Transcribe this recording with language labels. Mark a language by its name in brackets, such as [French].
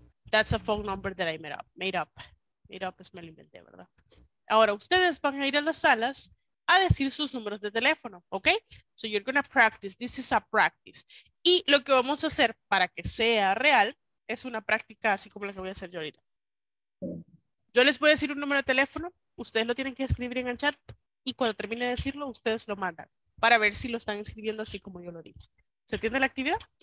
[English] That's a phone number that I made up. [Spanish] Made up es me lo inventé, ¿verdad? Ahora, ustedes van a ir a las salas a decir sus números de teléfono, ¿ok? [English] So you're gonna practice, this is a practice. [Spanish] Y lo que vamos a hacer para que sea real es una práctica así como la que voy a hacer yo ahorita. Yo les voy a decir un número de teléfono, ustedes lo tienen que escribir en el chat y cuando termine de decirlo, ustedes lo mandan. Para ver si lo están escribiendo así como yo lo digo. ¿Se entiende la actividad?